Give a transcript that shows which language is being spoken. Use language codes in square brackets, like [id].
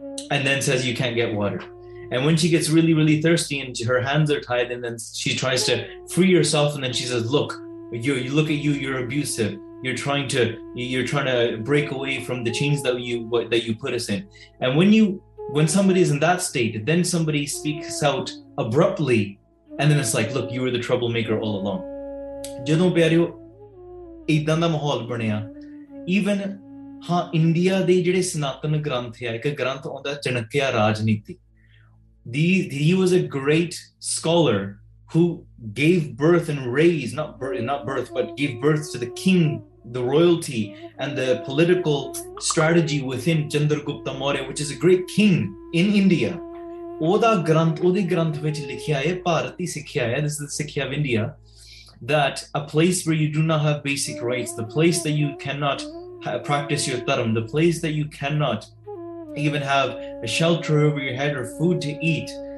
[en] And then says, "You can't get water." And when she gets really, really thirsty and her hands are tied, and then she tries to free herself, and then she says, "Look, you look at you, you're abusive. You're trying to break away from the chains that you put us in." And when somebody is in that state, then somebody speaks out abruptly, and then it's like, "Look, you were the troublemaker all along." [pa] ਜਦੋਂ ਪਿਆਰਿਓ ਇਦਾਂ ਦਾ ਮਾਹੌਲ ਬਣਿਆ, [en] even [pa] ਹਾਂ India ਦੇ ਜਿਹੜੇ ਸਨਾਤਨ ਗ੍ਰੰਥ ਆ, ਇੱਕ ਗ੍ਰੰਥ ਆਉਂਦਾ ਚਣਕਿਆ ਰਾਜਨੀਤੀ। [en] He was a great scholar who gave birth and raised, gave birth to the king, the royalty, and the political strategy within Chandragupta Maurya, which is a great king in India. [pa] Oda grant vich likhya hai, Bharati sikhya hai, [en] this is the sikhya of India, that a place where you do not have basic rights, the place that you cannot practice your dharm, the place that you cannot even have a shelter over your head or food to eat.